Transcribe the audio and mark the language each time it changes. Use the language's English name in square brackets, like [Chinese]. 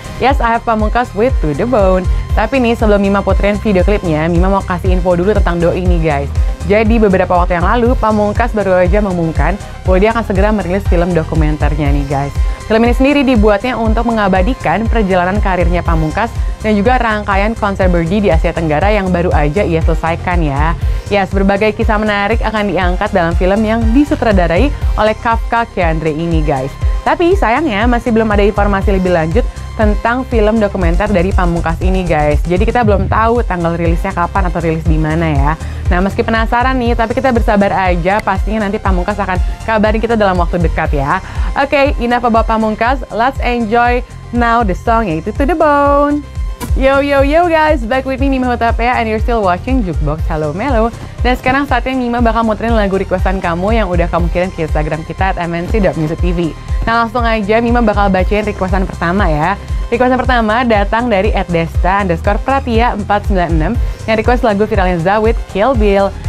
[English] Yes, I have Pamungkas with To The Bone. [Indonesian] Tapi nih, sebelum Mima puterin video klipnya, Mima mau kasih info dulu tentang doi nih, guys. Jadi, beberapa waktu yang lalu, Pamungkas baru aja mengumumkan bahwa dia akan segera merilis film dokumenternya nih, guys. Film ini sendiri dibuatnya untuk mengabadikan perjalanan karirnya Pamungkas dan juga rangkaian konser Birdie di Asia Tenggara yang baru aja ia selesaikan ya. Yes, berbagai kisah menarik akan diangkat dalam film yang disutradarai oleh Kafka Keandre ini, guys. Tapi sayangnya, masih belum ada informasi lebih lanjut tentang film dokumenter dari Pamungkas ini, guys. Jadi kita belum tahu tanggal rilisnya kapan atau rilis di mana ya. Nah, meski penasaran nih, tapi kita bersabar aja. Pastinya nanti Pamungkas akan kabarin kita dalam waktu dekat ya. [English] Oke, okay, enough about Pamungkas. Let's enjoy now the song, yaitu To The Bone. Yo, yo, yo, guys. Back with me, Mima Hutapea, and you're still watching Jukebox Hello Melo. [Indonesian] Dan sekarang saatnya Mima bakal muterin lagu requestan kamu yang udah kamu kirim ke Instagram kita at mnc.musictv. Nah, langsung aja Mima bakal bacain requestan pertama ya. Requestan pertama datang dari @desta_pratia496 yang request lagu viralnya Zawit, Kill Bill.